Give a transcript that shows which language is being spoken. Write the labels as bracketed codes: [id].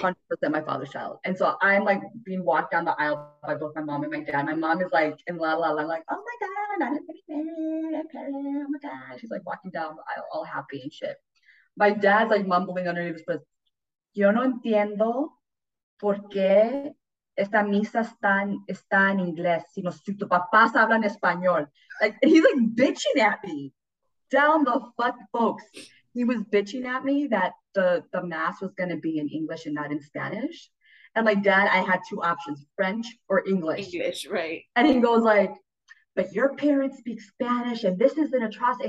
[en] 100% my father's child. And so I'm like being walked down the aisle by both my mom and my dad. My mom is like in la la la, like, oh my God, I'm getting married. Okay, oh my God. She's like walking down the aisle, all happy and shit. My dad's like mumbling underneath his breath, [es] yo no entiendo. ¿Por qué esta misa está en inglés? Si no, si tu papá habla en español. [en] Like, and he's like bitching at me. Down the fuck, folks. He was bitching at me that the mass was gonna be in English and not in Spanish. And like, Dad, I had two options, French or English. English, right? And he goes like, but your parents speak Spanish and this is an atrocity.